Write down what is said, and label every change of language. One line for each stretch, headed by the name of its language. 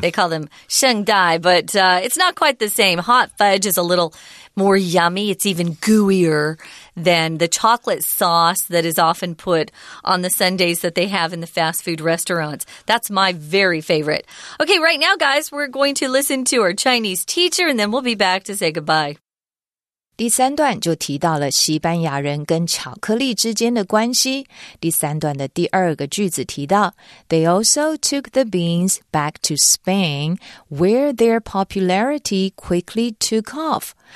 English: They call them sheng dai, but it's not quite the same. Hot fudge is a little more yummy. It's even gooier than the chocolate sauce that is often put on the sundaes that they have in the fast food restaurants. That's my very favorite. Okay, right now, guys, we're going to listen to our Chinese teacher, and then we'll be back to say goodbye.
Chinese: 第三段就提到了西班牙人跟巧克力之间的关系。第三段的第二个句子提到
English: They also took the beans back to Spain, where their popularity quickly took off.